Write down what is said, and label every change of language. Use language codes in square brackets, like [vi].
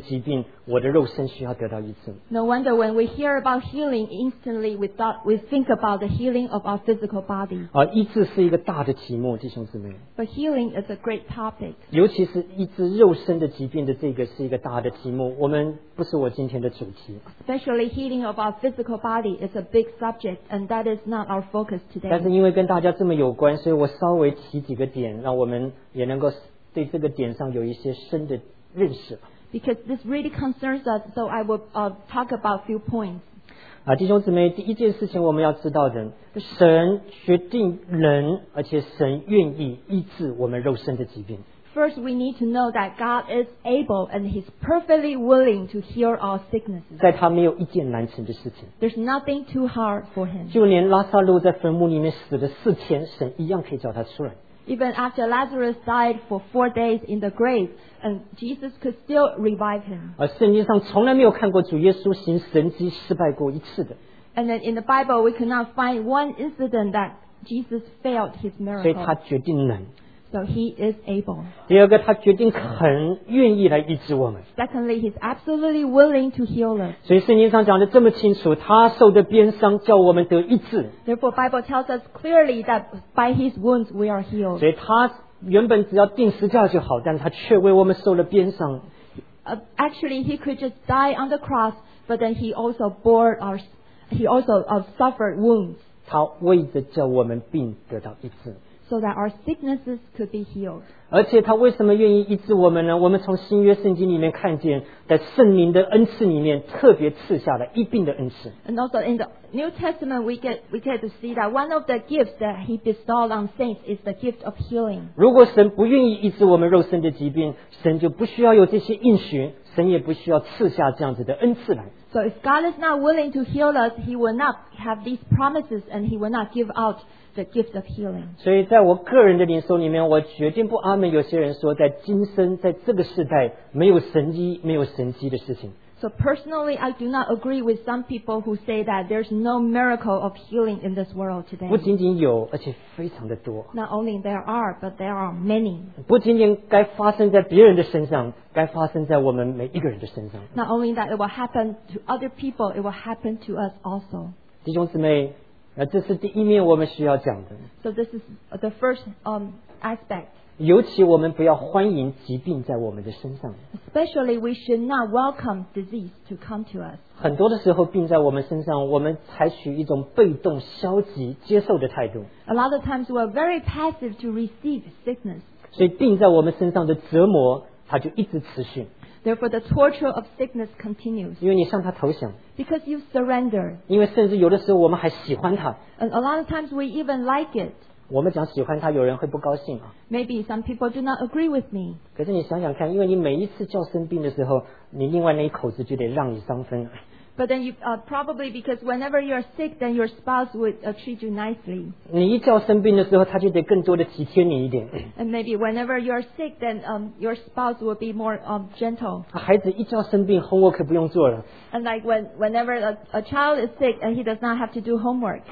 [zh] 难怪当我们讲到医治的时候,我们很本能的就会想到我身体的疾病,我的肉身需要得到医治。 [en] No wonder when we hear about healing, instantly we think about the healing of our physical body. [zh] 医治是一个大的题目,弟兄姊妹。 [en] But healing is a great topic. [zh] 尤其是医治肉身的疾病的这个是一个大的题目,我们不是我今天的主题。 [en] Especially healing of our physical body is a big subject, and that is not our focus today. [zh] 但是因为跟大家这么有关,所以我稍微提几个点,让我们也能够对这个点上有一些深的认识。 [en] Because this really concerns us, so I will talk about a few points. [zh] 弟兄姊妹,第一件事情我们要知道的, 神决定人,而且神愿意医治我们肉身的疾病。 [en] First, we need to know that God is able and He's perfectly willing to heal our sicknesses. [zh] 在他没有一件难成的事情。 [en] There's nothing too hard for Him. [zh] 就连拉撒路在坟墓里面死了4天, 神一样可以叫他出来。 [en] even after Lazarus died for 4 days in the grave, and Jesus could still revive him. [zh] 圣经上从来没有看过主耶稣行神迹失败过一次的。 [en] And then in the Bible, we cannot find one incident that Jesus failed his miracle. [zh] 所以他决定能。 [en] So he is able. [zh] 第二个, 他决定很愿意来医治我们。 [en] Secondly, he's absolutely willing to heal us. [zh] 所以圣经上讲得这么清楚, 他受的鞭伤叫我们得医治。 [en] Therefore, Bible tells us clearly that by his wounds we are healed. [zh] 所以他原本只要钉十字架就好, 但是他却为我们受了鞭伤。 [en] Actually, he could just die on the cross, but then he also bore our, he also suffered wounds. [zh] 他为着叫我们病得到医治。 [en] So that our sicknesses could be healed. [zh] 而且他为什么愿意医治我们呢?我们从新约圣经里面看见, 在圣灵的恩赐里面特别赐下了一并的恩赐。 [en] And also in the New Testament, we get to see that one of the gifts that he bestowed on saints is the gift of healing. [zh] 如果神不愿意医治我们肉身的疾病, 神就不需要有这些应许, 神也不需要赐下这样子的恩赐来。 [en] So if God is not willing to heal us, he will not have these promises and he will not give out the gift of healing. [zh] 所以在我个人的灵修里面, 我绝对不阿们有些人说在今生在这个世代, 没有神迹, 没有神迹的事情。 [en] So personally, I do not agree with some people who say that there's no miracle of healing in this world today. [zh] 不仅仅有, 而且非常的多。 [en] Not only there are, but there are many. [zh] 不仅仅该发生在别人的身上, 该发生在我们每一个人的身上。 [en] Not only that it will happen to other people, it will happen to us also. [zh] 弟兄姊妹, 这是第一面我们需要讲的。 [en] So this is the first aspect. [zh] 尤其我们不要欢迎疾病在我们的身上。 [en] Especially we should not welcome disease to come to us. [zh] 很多的时候病在我们身上, 我们采取一种被动消极接受的态度。 [en] A lot of times we are very passive to receive sickness. [zh] 所以病在我们身上的折磨, 它就一直持续。 [en] Therefore, the torture of sickness continues. [zh] 因为你向他投降。 [en] Because you surrender. [zh] 因为甚至有的时候我们还喜欢他。 [en] And a lot of times we even like it. [zh] 我们讲喜欢他, 有人会不高兴啊。 [en] Maybe some people do not agree with me. [zh] 可是你想想看, 因为你每一次叫生病的时候, 你另外那一口子就得让你伤分。 [en] But then you, probably because whenever you're sick, then your spouse would treat you nicely. [zh] 你一叫生病的时候, 他就得更多的体贴你一点。 [en] And maybe whenever you're sick, then your spouse will be more gentle. [zh] 孩子一叫生病, homework可不用做了。 [en] And like whenever a child is sick, and he does not have to do homework.